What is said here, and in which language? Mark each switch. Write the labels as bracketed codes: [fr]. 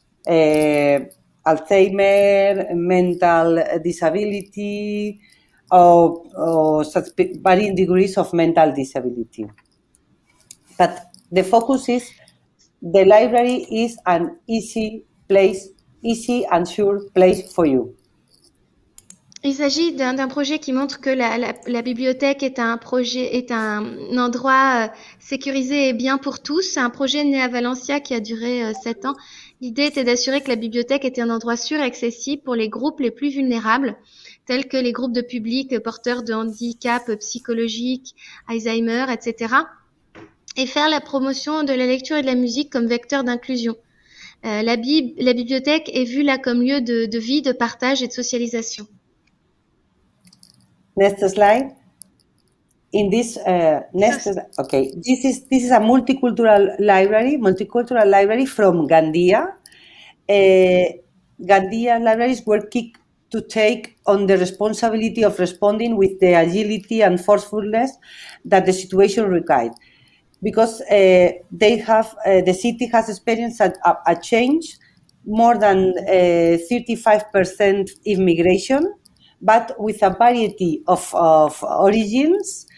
[en] Alzheimer, mental disability, or varying degrees of mental disability. But the focus is the library is an easy place, easy and sure place for you. [fr] Il s'agit d'un projet qui montre que la bibliothèque est un projet, est un endroit sécurisé et bien pour tous. C'est un projet né à Valencia qui a duré 7 ans. L'idée était d'assurer que la bibliothèque était un endroit sûr et accessible pour les groupes les plus vulnérables, tels que les groupes de public porteurs de handicap psychologique, Alzheimer, etc. Et faire la promotion de la lecture et de la musique comme vecteur d'inclusion. La bibliothèque est vue là comme lieu de vie, de partage et de socialisation. [en] Next slide. In this this is a multicultural library from Gandia. Gandia libraries were kicked to take on the responsibility of responding with the agility and forcefulness that the situation required, because the city has experienced a change, more than 35% immigration, but with a variety of origins.